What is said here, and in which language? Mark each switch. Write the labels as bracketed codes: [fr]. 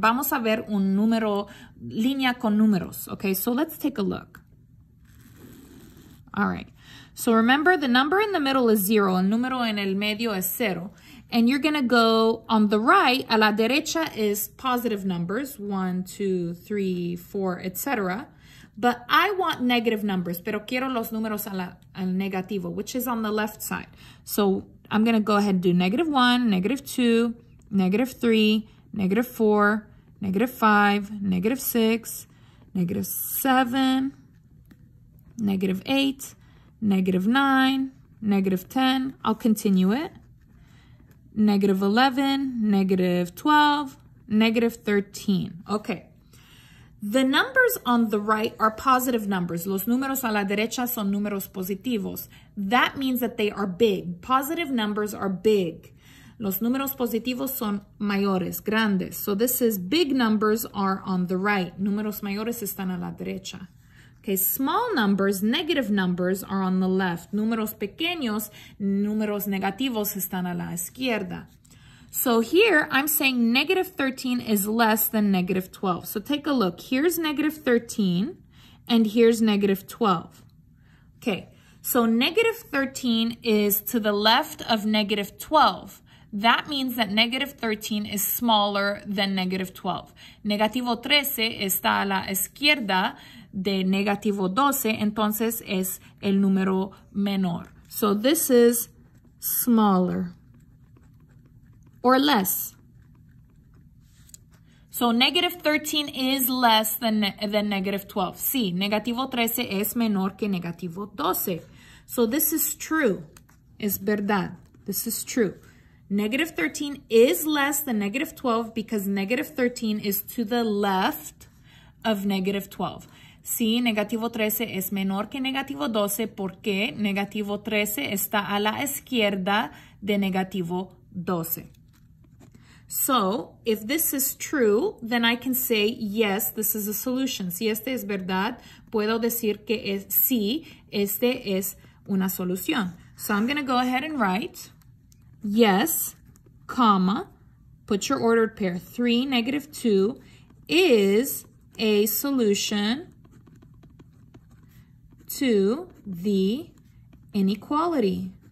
[es] Vamos a ver un número, línea con números. [en] Okay, so let's take a look. All right. So remember, the number in the middle is 0. [es] El número en el medio es 0. [en] And you're going to go on the right. [es] A la derecha [en] is positive numbers. 1, 2, 3, 4, etc. But I want negative numbers. [es] Pero quiero los números al negativo, [en] which is on the left side. So I'm going to go ahead and do negative 1, negative 2, negative 3, negative 4, negative 5, negative 6, negative 7, negative 8. Negative 9, negative 10, I'll continue it. Negative 11, negative 12, negative 13. Okay, the numbers on the right are positive numbers. [es] Los números a la derecha son números positivos. [en] That means that they are big. Positive numbers are big. [es] Los números positivos son mayores, grandes. [en] So this is big numbers are on the right. [es] Números mayores están a la derecha. [en] Okay, small numbers, negative numbers, are on the left. [es] Números pequeños, números negativos, están a la izquierda. [en] So here, I'm saying negative 13 is less than negative 12. So take a look. Here's negative 13, and here's negative 12. Okay, so negative 13 is to the left of negative 12. That means that negative 13 is smaller than negative 12. [es] Negativo 13 está a la izquierda de negativo 12, entonces es el número menor. [en] So this is smaller or less. So negative 13 is less than negative 12. [es] Sí, negativo 13 es menor que negativo 12. [en] So this is true. [es] Es verdad. [en] This is true. Negative 13 is less than negative 12 because negative 13 is to the left of negative 12. [es] Sí, negativo 13 es menor que negativo 12 porque negativo 13 está a la izquierda de negativo 12. [en] So, if this is true, then I can say, yes, this is a solution. [es] Si este es verdad, puedo decir que es, sí, este es una solución. [en] So, I'm going to go ahead and write, yes, comma, put your ordered pair, 3, negative 2, is a solution to the inequality, period. See,